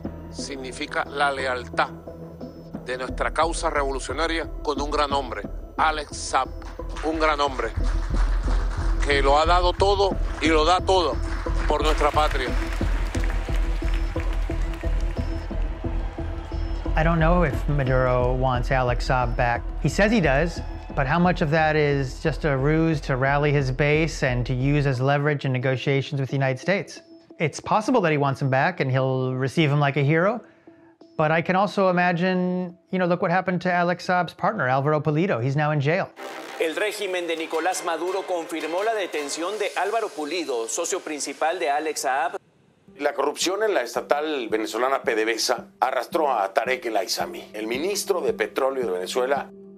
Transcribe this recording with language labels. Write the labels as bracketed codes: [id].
[es] Significa la lealtad de nuestra causa revolucionaria con un gran hombre, Alex Saab, un gran hombre que lo ha dado todo y lo da todo por nuestra patria. [en] I don't know if Maduro wants Alex Saab back. He says he does. But how much of that is just a ruse to rally his base and to use as leverage in negotiations with the United States? It's possible that he wants him back and he'll receive him like a hero. But I can also imagine, you know, look what happened to Alex Saab's partner, Alvaro Pulido. He's now in jail. [es] El régimen de Nicolás Maduro confirmó la detención de Álvaro Pulido, socio principal de Alex Saab. La corrupción en la estatal venezolana PDVSA arrastró a Tarek El Aissami, el ministro de Petróleo de Venezuela.